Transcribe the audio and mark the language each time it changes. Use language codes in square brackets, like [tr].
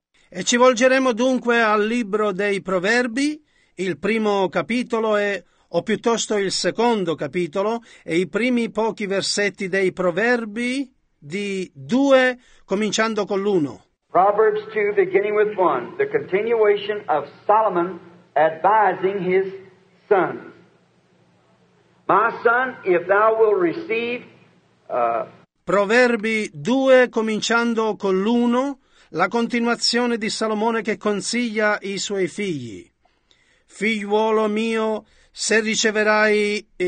[it] E ci volgeremo dunque al libro dei Proverbi, il primo capitolo e, o piuttosto il secondo capitolo e i primi pochi versetti dei Proverbi di 2, cominciando con l'1. [en] Proverbs 2, beginning with 1, the continuation of Solomon advising his son. My son, if thou will receive... [it] Proverbi 2, cominciando con l'1, la continuazione di Salomone che consiglia i suoi figli. Figliuolo mio, se riceverai...